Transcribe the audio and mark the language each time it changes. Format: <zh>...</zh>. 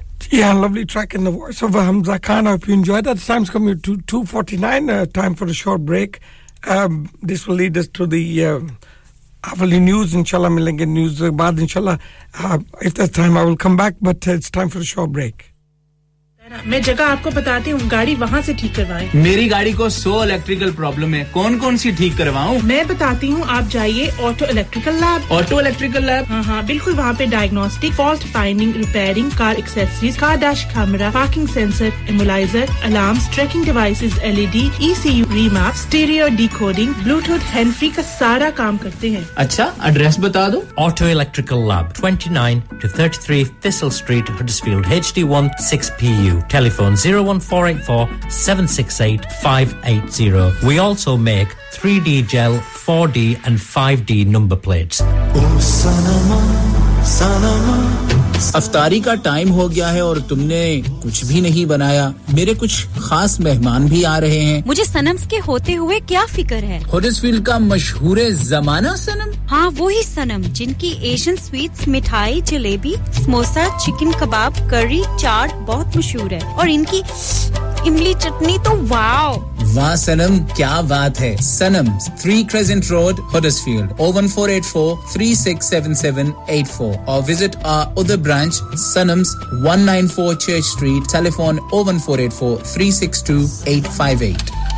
<en>Yeah, lovely track in the voice of Hamza Khan. I hope you enjoyed that. The time's coming to 2:49, time for a short break. This will lead us to the Avali news, inshallah.</en> <hi>Milenge news baad,</hi> <en>inshallah. If there's time, I will come back, but it's time for a short break.</en> <hi>मैं जगह आपको बताती हूँ गाड़ी वहाँ से ठीक करवाएं मेरी गाड़ी को 100 इलेक्ट्रिकल प्रॉब्लम है कौन कौन सी ठीक करवाऊँ मैं बताती हूँ आप जाइए ऑटो इलेक्ट्रिकल लैब हाँ हाँ बिल्कुल वहाँ पे diagnostic fault finding repairing car accessories car dash camera parking sensor इमोलाइजर alarms trekking devices LED ECU remap stereo decoding Bluetooth hand free का सारा काम करते हैं अच्छा एड्रेस बता दो auto electrical lab 29-33 thistle street Huddersfield HD1 6PU Telephone 01484-768-580.</hi> <en>We also make 3D gel, 4D and 5D number plates.</en> <hi>Oh, sanama, sanama. अफ्तारी का time हो गया है और तुमने कुछ भी नहीं बनाया मेरे कुछ खास मेहमान भी आ रहे हैं मुझे सनम्स के होते हुए क्या फिकर है हडर्सफील्ड का मशहूर जमाना सनम हाँ वो ही सनम जिनकी एशियन स्वीट्स मिठाई जलेबी समोसा चिकन कबाब करी चाट बहुत मशहूर है और इनकी इमली चटनी तो वाओ वाह सनम क्या बात है सनम्स 3 crescent road Huddersfield 01484-367784</hi> <en>or visit our other branch</en> <hi>Sunnams 194 Church Street telephone 01484-362-858</hi>